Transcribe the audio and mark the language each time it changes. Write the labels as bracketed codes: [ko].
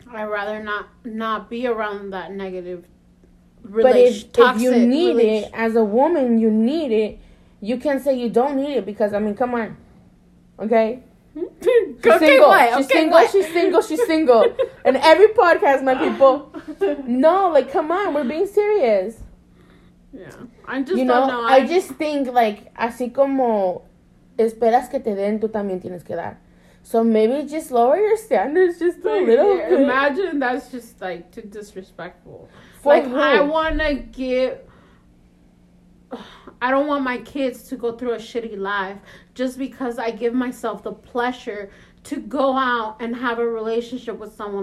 [en] I'd rather not be around that negative toxic, if you need it, as a woman, you need it. You can't say you don't need it because, I mean, come on. Okay? She's single. Okay, she's single. What? She's single. She's single. And every podcast, my people. No, like, come on. We're being serious. Yeah. I just don't know. I just think, like, [es] así como esperas que te den, tú también tienes que dar. [en] So maybe just lower your standards just a little bit. Imagine that's just, like, too disrespectful. I want to get... I don't want my kids to go through a shitty life just because I give myself the pleasure to go out and have a relationship with someone.